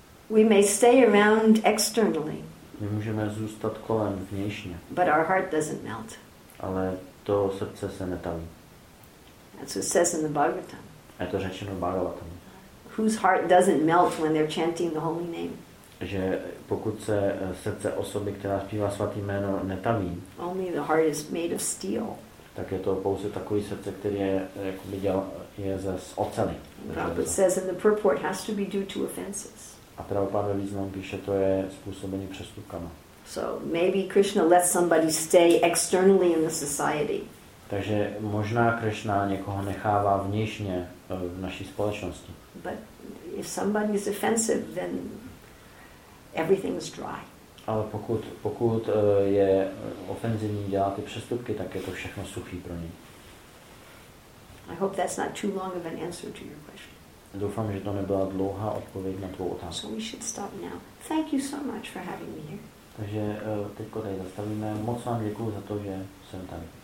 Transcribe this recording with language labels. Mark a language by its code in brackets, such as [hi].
[en] We may stay around externally. [cs] My můžeme zůstat kolem vnějšně. [en] But our heart doesn't melt. [cs] Ale to srdce se netaví. [en] That's what it says in the Bhagavatam. [cs] A to řečeno v Bhagavatam. [en] Whose heart doesn't melt when they're chanting the holy name? [cs] Že pokud se srdce osoby, která zpívá svatý jméno, netaví. [en] Only the heart is made of steel. [cs] Tak je to pouze takový srdce, který je jako by dělal, je ze oceli. [en] Prabhupada says in the purport has to be due to offenses. [cs] A Prabhupada ve významu píše, to je způsobení přestupkama. [en] So maybe Krishna lets somebody stay externally in the society. [cs] Takže možná Krishna někoho nechává vnějšně v naší společnosti. [en] But if somebody is offensive, then everything is dry. [cs] Ale pokud je ofenzivní, dělá ty přestupky, tak je to všechno suchý pro ní. [en] I hope that's not too long of an answer to your question. [cs] Doufám, že to nebyla dlouhá odpověď na tvou otázku. [en] So we should stop now. Thank you so much for having me here. [cs] Takže teďko tady zastavíme. Moc vám děkuju za to, že jsem tady.